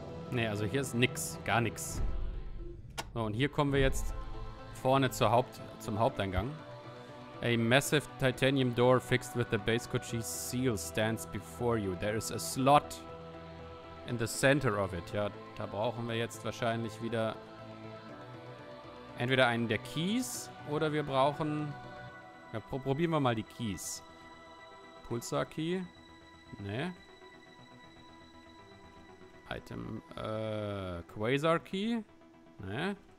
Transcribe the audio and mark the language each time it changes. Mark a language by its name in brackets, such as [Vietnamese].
[German] Nee, also hier ist nix, gar nix. So, und hier kommen wir jetzt vorne zum Haupteingang. [English] A massive titanium door fixed with the base Kochi seal stands before you. There is a slot in the center of it. [German] Ja, da brauchen wir jetzt wahrscheinlich wieder entweder einen der Keys oder wir brauchen... Ja, probieren wir mal die Keys. Pulsar Key? Nee. Item, Quasar Key? Ne?